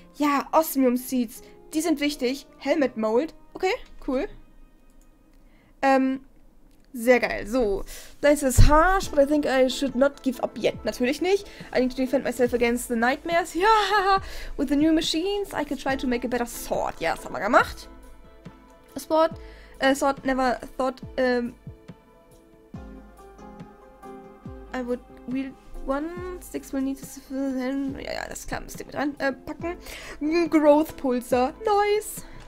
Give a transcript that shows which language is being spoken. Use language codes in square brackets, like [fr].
[de] Ja, Osmium Seeds, die sind wichtig. [en] Helmet Mold, okay, cool. [de] Sehr geil. [en] So, this is harsh, but I think I should not give up yet. [de] Natürlich nicht. [en] I need to defend myself against the nightmares. Ja, with the new machines, I could try to make a better sword. [de] Ja, das haben wir gemacht. [en] A sword, never thought, I would wield one, six will need to fill in. [de] Ja, ja, das kann man mit reinpacken. Growth Pulser, nice.